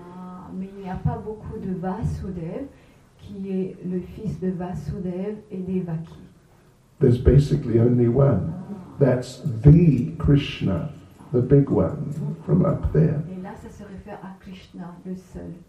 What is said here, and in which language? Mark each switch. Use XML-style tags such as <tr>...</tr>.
<fr>Ah, mais il n'y a pas beaucoup de Vasudev qui est le fils de Vasudev et Devaki.</fr> <en>There's basically only one. That's the Krishna, the big one, from up there.</en> <fr>Et là, ça se réfère à Krishna, le seul.</fr>